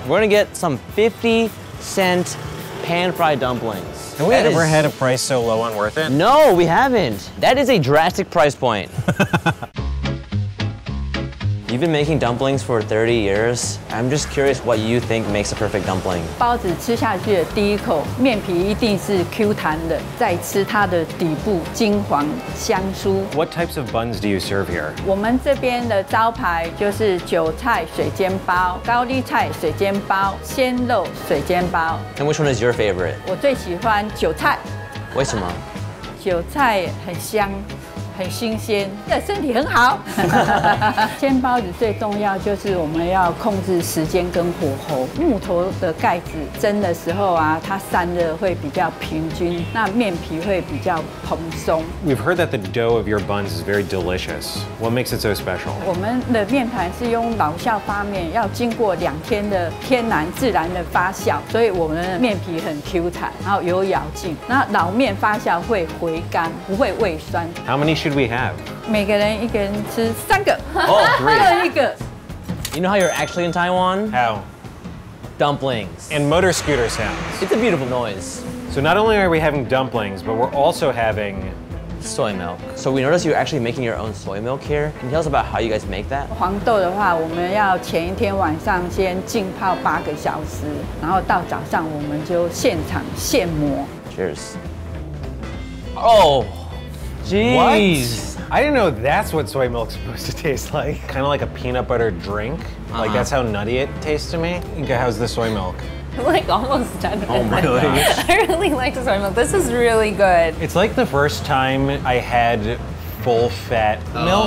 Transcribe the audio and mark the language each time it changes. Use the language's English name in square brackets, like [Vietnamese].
[English] We're gonna get some 50 cent pan-fried dumplings. Have we ever had a price so low on Worth It? No, we haven't. That is a drastic price point. You You've been making dumplings for 30 years. I'm just curious what you think makes a perfect dumpling. [Chinese] 包子吃下去的第一口，面皮一定是 Q 弹的，再吃它的底部金黄香酥。 [English] What types of buns do you serve here? [Chinese] 我们这边的招牌就是韭菜水煎包、高丽菜水煎包、鲜肉水煎包。 [English] And which one is your favorite? [Chinese] 我最喜欢韭菜。为什么？韭菜很香。很新鲜，身体很好。煎包子最重要就是我们要控制时间跟火候。木头的盖子蒸的时候啊，它散热会比较平均，那面皮会比较蓬松。 [English] We've heard that the dough of your buns is very delicious. What makes it so special? [Chinese] 我们的面团是用老酵发面，要经过两天的天然自然的发酵，所以我们的面皮很 Q 弹，然后有咬劲。那老面发酵会回甘，不会胃酸。 [English] How many should we have? [Chinese] 每个人一个人吃三个。 [English] Oh, three. [Chinese] 一个。 [English] You know how you're actually in Taiwan? How? Dumplings. And motor scooter sounds. It's a beautiful noise. So not only are we having dumplings, but we're also having... Soy milk. So we noticed you're actually making your own soy milk here. Can you tell us about how you guys make that? [Chinese] 黄豆的话，我们要前一天晚上先浸泡八个小时，然后到早上我们就现场现磨。 [English] Cheers. Oh. Jeez. What? I didn't know that's what soy milk's supposed to taste like. Kind of like a peanut butter drink. Uh-huh. Like, that's how nutty it tastes to me. Inka, how's the soy milk? Like, almost done. Oh, my gosh. I really like soy milk. This is really good. It's like the first time I had full fat milk.